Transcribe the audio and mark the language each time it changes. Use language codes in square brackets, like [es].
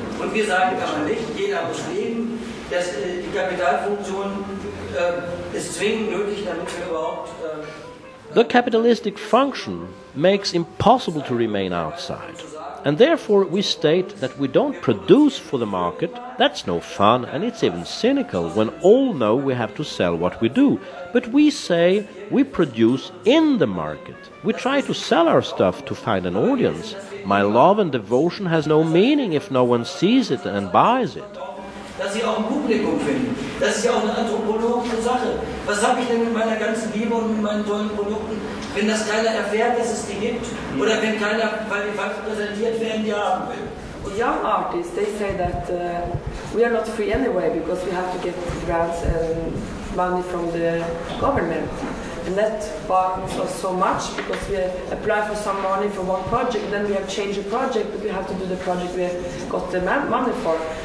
[de] Und wir sagen, kann man nicht, jeder muss leben, dass die Kapitalfunktion ist zwingend nötig, damit wir überhaupt... [en] The capitalistic function makes impossible to remain outside. And therefore we state that we don't produce for the market. That's no fun, and it's even cynical when all know we have to sell what we do. But we say we produce in the market. We try to sell our stuff to find an audience. My love and devotion has no meaning if no one sees it and buys it. [de] Dass sie auch ein Publikum finden. Das ist ja auch eine anthropologische Sache. Was habe ich denn mit meiner ganzen Liebe und mit meinen tollen Produkten, wenn das keiner erfährt, dass es die gibt? Oder wenn keiner, weil die falsch präsentiert werden, die haben will? [en] Und young artists, they say that we are not free anyway, because we have to get grants and money from the government. And that bothers us so much, because we apply for some money for one project, then we have changed the project, but we have to do the project we have got the money for.